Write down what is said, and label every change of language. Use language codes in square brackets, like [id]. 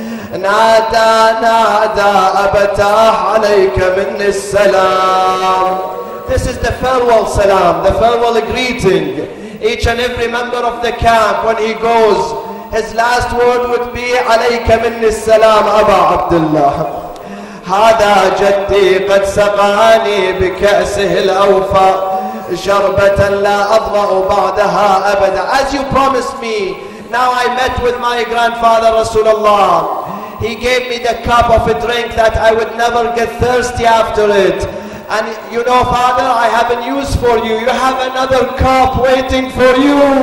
[ar] نادى نادى أبتاح عليك من السلام. [en] This is the farewell salam, the farewell greeting. Each and every member of the camp, when he goes, his last word would be [ar] عليك من السلام أبا عبد الله. هذا جدي قد سقاني بكأسه الأوفى شربة لا أضرأ بعدها أبدا. [en] As you promised me, now I met with my grandfather Rasulullah. He gave me the cup of a drink that I would never get thirsty after it. And you know, father, I have a news for you. You have another cup waiting for you.